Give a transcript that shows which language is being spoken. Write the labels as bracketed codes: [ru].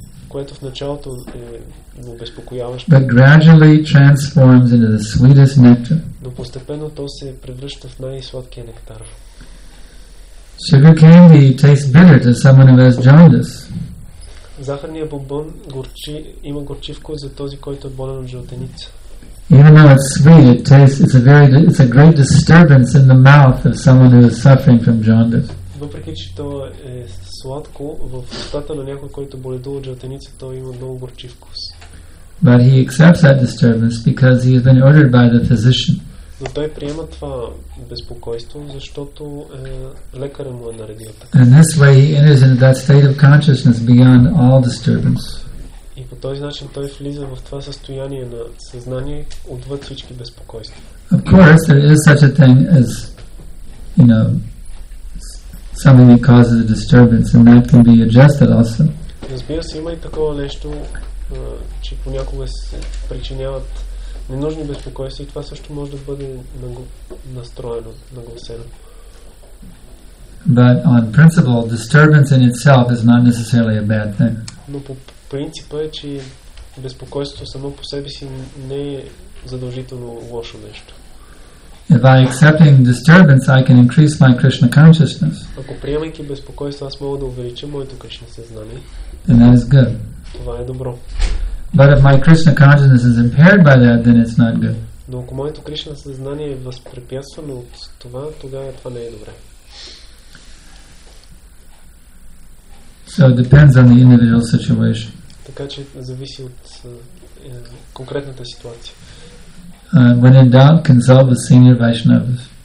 [bg] Което в началото е обезпокояващо. [en] But gradually transforms into the sweetest nectar. [bg] Но постепенно то се превръща в най-сладкия нектар. [en] Sugar candy tastes bitter to someone who has jaundice. [bg] Захарният бонбон има горчив вкус за този, който е болен от жълтеница. [en] Even though it's sweet, it tastes, it's a great disturbance in the mouth of someone who is suffering from jaundice. [bg] Въпреки че то е сладко, в устата на някой, който боледува от жълтеница, то има много горчив вкус. [en] But he accepts that disturbance because he has been ordered by the physician. [bg] Но той приема това безпокойство, защото лекарът му е наредил така. [en] And this way he enters into that state of consciousness beyond all disturbance. [bg] И по този начин той влиза в това състояние на съзнание отвъд всички безпокойства. [en] Of course, there is such a thing as, you know, something that causes a disturbance, and that can be adjusted also. [bg] Разбира се, има и такова нещо, че понякога се причиняват ненужни безпокойства и това също може да бъде настроено, нагласено. [en] But on principle, disturbance in itself is not necessarily a bad thing. [bg] Но по принципа е, че безпокойството само по себе си не е задължително лошо нещо. [en] If I accepting disturbance, I can increase my Krishna consciousness. [bg] Ако приемайки безпокойство, аз мога да увелича моето Кришна съзнание. [en] Then that is good. [bg] Това е добро. [en] But if my Krishna consciousness is impaired by that, then it's not good. [bg] Но ако моето Кришна съзнание е възпрепятствано от това, тогава това не е добре. [en] So it depends on the individual situation. [bg] Така че зависи от конкретната ситуация. [en] When in doubt, consult the senior Vaishnavas.